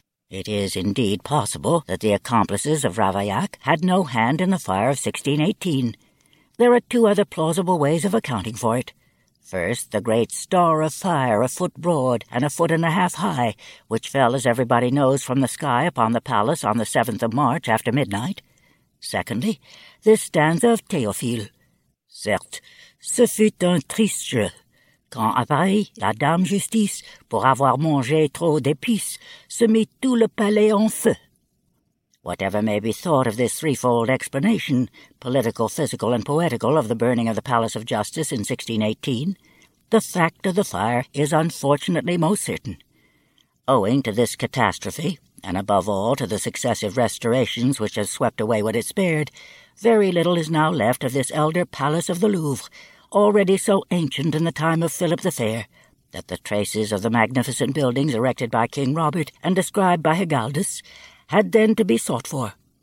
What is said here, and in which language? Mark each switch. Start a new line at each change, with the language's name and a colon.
English: It is indeed possible that the accomplices of Ravaillac had no hand in the fire of 1618. There are two other plausible ways of accounting for it. First, the great star of fire, a foot broad and a foot and a half high, which fell, as everybody knows, from the sky upon the palace on the 7th of March after midnight. Secondly, this stanza of Théophile.
French: Certes, ce fut un triste jeu, quand à Paris, la dame justice, pour avoir mangé trop d'épices, se mit tout le palais en feu.
English: Whatever may be thought of this threefold explanation, political, physical, and poetical, of the burning of the Palace of Justice in 1618, the fact of the fire is unfortunately most certain. Owing to this catastrophe, and above all to the successive restorations which have swept away what it spared, very little is now left of this elder palace of the Louvre, already so ancient in the time of Philip the Fair, that the traces of the magnificent buildings erected by King Robert and described by Hegaldus had then to be sought for.